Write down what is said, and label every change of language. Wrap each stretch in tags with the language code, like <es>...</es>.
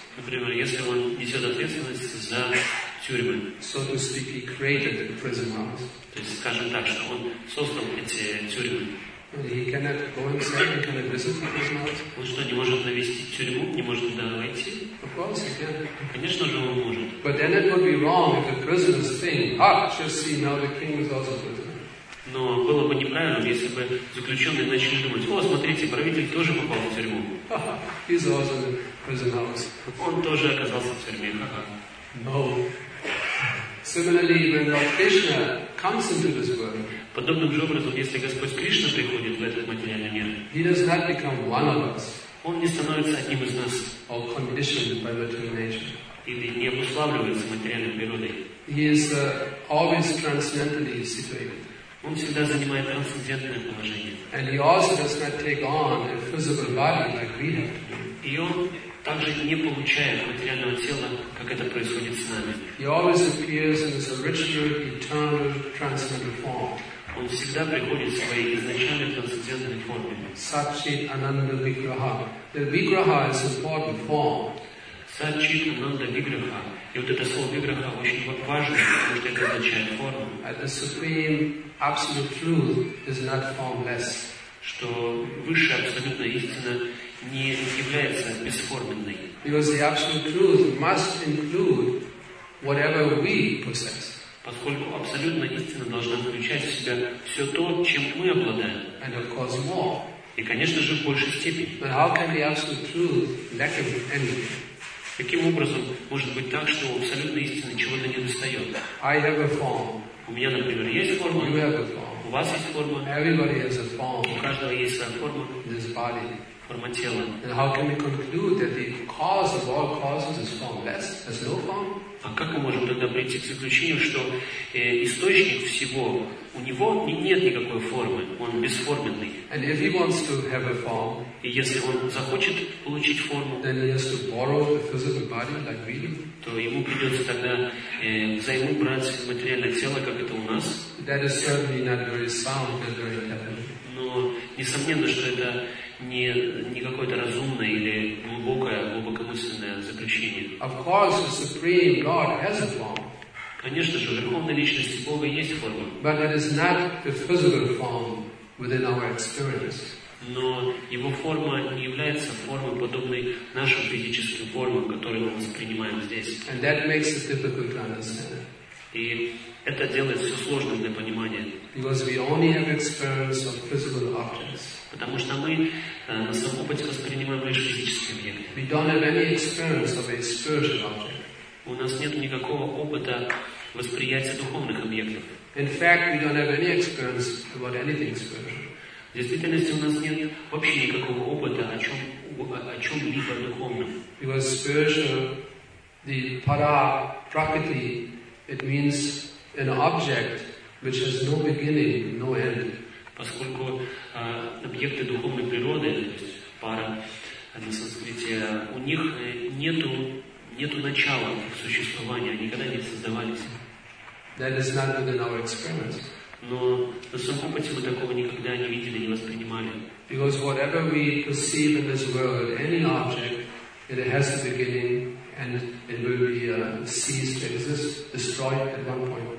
<ru>Например, если он несет ответственность за тюрьмы.</ru> <en>So to speak, he created the prison house.</en> <ru>То есть, скажем так, что он создал эти тюрьмы.</ru> <en>He cannot go inside and cannot visit the prison house.</en> <ru>Он что, не может навестить тюрьму, не может туда войти?</ru> <en>Of course he can.</en> <ru>Конечно же, он может.</ru> <en>But then it would be wrong if the prisoners think, ah, just see, now the king is also prisoner.</en> <ru>Но было бы неправильно, если бы заключенные начали думать, о, смотрите, правитель тоже попал в тюрьму.</ru> <en>He's also in prison house.</en> <ru>Он тоже оказался в тюрьме.</ru> <en>No. Similarly, when Krishna comes into this world,</en> <ru>подобным же образом, если Господь Кришна приходит в этот материальный мир,</ru> <en>he does not become one of us.</en> <ru>Он не становится одним из нас.</ru> <en>Or conditioned by material nature.</en> <ru>Или не обуславливается материальной природой.</ru> <en>He is always transcendentally situated.</en> <ru>Он всегда занимает трансцендентное положение.</ru> <en>And he also does not take on a physical body like we have to do.</en> <ru>И он также не получает материального тела, как это происходит с нами.</ru> <en>He always appears in his original, eternal, transcendental form.</en> <ru>Он всегда приходит в своей изначальной трансцендентной форме.</ru> <sa>Сат-чит ананда виграха.</sa> <en>The виграха is important form.</en> <sa>Сат-чит ананда виграха.</sa> <ru>И вот это слово виграха очень важно, потому что это означает форму.</ru> <en>At the supreme absolute truth is not formless.</en> <ru>Что высшая абсолютная истина не является бесформенной.</ru> <en>Because the absolute truth must include whatever we possess.</en> <ru>Поскольку абсолютная истина должна включать в себя все то, чем мы обладаем.</ru> <en>And of course more.</en> <ru>И, конечно же, в большей степени.</ru> <en>But how can the absolute truth lack anything?</en> <ru>Каким образом может быть так, что абсолютной истины чего-то не достает?</ru> <en>I have a form.</en> <ru>У меня, например, есть форма.</ru> <en>You have a form.</en> <ru>У вас есть форма.</ru> <en>Everybody has a form.</en> <ru>У каждого есть своя форма.</ru> <en>This body.</en> <ru>Форма тела.</ru> <en>And how can we conclude that the cause of all causes is formless? There's no form.</en> <ru>А как мы можем тогда прийти к заключению, что источник всего, у него нет никакой формы, он бесформенный.</ru> <en>And if he wants to have a form,</en> <ru>и если он захочет получить форму,</ru> <en>then he has to borrow the physical body like we do.</en> <ru>То ему придется тогда взаймы брать материальное тело, как это у нас.</ru> <en>That is certainly not very sound and very heavenly.</en> <ru>Но несомненно, что это не какое-то разумное или глубокомысленное заключение.</ru> <en>Of course, the Supreme God has a form.</en> <ru>Конечно же, у Верховной Личности Бога есть форма.</ru> <en>But it is not the physical form within our experience.</en> <ru>Но его форма не является формой, подобной нашим физическим формам, которые мы воспринимаем здесь.</ru> <en>And that makes it difficult to understand.</en> <ru>И это делает все сложным для понимания.</ru> <en>Because we only have experience of physical objects.</en> <ru>Потому что мы на своем опыте воспринимаем лишь физические объекты.</ru> <en>We don't have any experience of a spiritual object.</en> <ru>У нас нет никакого опыта восприятия духовных объектов.</ru> <en>In fact, we don't have any experience about anything spiritual.</en> <ru>В действительности у нас нет вообще никакого опыта о чем-либо духовном.</ru> <en>Because spiritual, the para prakriti, it means an object which has no beginning, no end.</en> <ru>Поскольку объекты духовной природы, то есть пара на санскрите, у них нету начала их существования, никогда не создавались.</ru> <en>That is not within our experience.</en> <ru>Но на самом опыте мы такого никогда не видели, не воспринимали.</ru> <en>Because whatever we perceive in this world, any object, it has a beginning and it will be ceased to exist, destroyed at one point.</en>